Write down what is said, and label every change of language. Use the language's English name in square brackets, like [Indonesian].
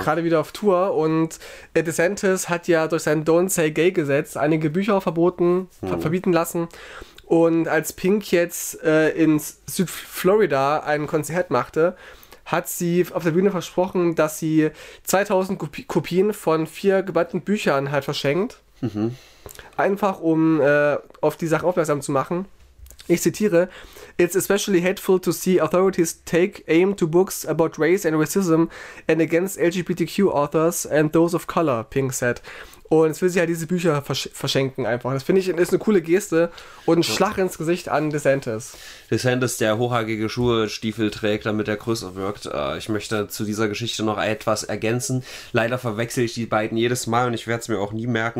[German] Gerade wieder auf Tour und DeSantis hat ja durch sein Don't Say Gay Gesetz einige Bücher verbieten lassen und als Pink jetzt in Südflorida ein Konzert machte, hat sie auf der Bühne versprochen, dass sie 2000 Kopien von 4 geballten Büchern halt verschenkt, einfach um auf die Sache aufmerksam zu machen. Ich zitiere, [English] it's especially hateful to see authorities take aim to books about race and racism and against LGBTQ authors and those of color, Pink said. [German] Und jetzt will sie halt diese Bücher verschenken einfach. Das finde ich, ist eine coole Geste und ein Schlag ins Gesicht an DeSantis. DeSantis, der hochhackige Schuhe, Stiefel trägt, damit er größer wirkt. Ich möchte zu dieser Geschichte noch etwas ergänzen. Leider verwechsel ich die beiden jedes Mal und ich werde es mir auch nie merken.